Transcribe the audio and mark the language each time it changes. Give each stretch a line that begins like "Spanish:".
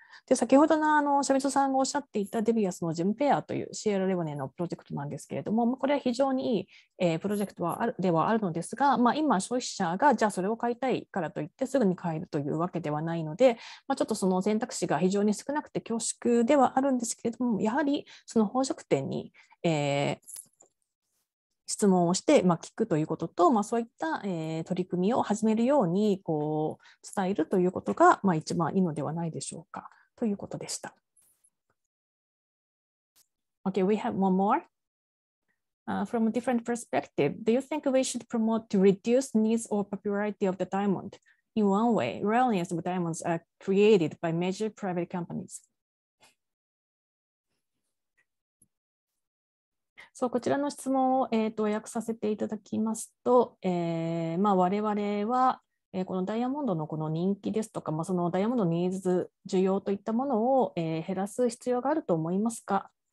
Japanese: で、先ほどのシャミソさんがおっしゃっていたデビアスのジムペアというシエラレオネのプロジェクトなんですけれども、これは非常にいい、プロジェクトはあるではあるのですが、まあ、今消費者がじゃあそれを買いたいからといってすぐに買えるというわけではないので、まあ、ちょっとその選択肢が非常に少なくて恐縮ではあるんですけれども、やはりその宝飾店に、質問をして、まあ、聞くということと、まあ、そういった、取り組みを始めるようにこう伝えるということが、まあ、一番いいのではないでしょうかということでした。
English: Okay, we have one more. From a different perspective, do you think we should promote to reduce needs or popularity of the diamond? In one way, reliance of diamonds are created by major private companies.
Japanese: そう、こちらの質問を、訳させていただきますと、まあ、我々は、このダイヤモンドのこの人気ですとか、まあ、そのダイヤモンドのニーズ需要といったものを、減らす必要があると思いますか。